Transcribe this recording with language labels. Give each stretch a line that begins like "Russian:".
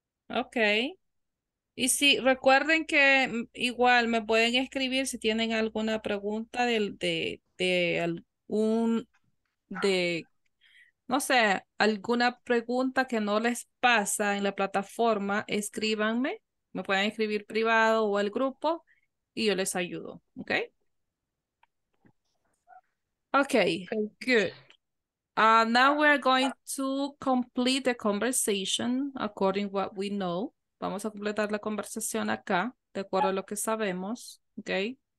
Spanish: Ok. Y sí, recuerden que igual me pueden escribir si tienen alguna pregunta alguna pregunta que no les pasa en la plataforma, escríbanme. Me pueden escribir privado o al grupo y yo les ayudo.
English: Ok. Ok. Good. Now we are going to complete the conversation according to what we know.
Spanish: Vamos a completar la conversación acá, de acuerdo a lo que sabemos, okay?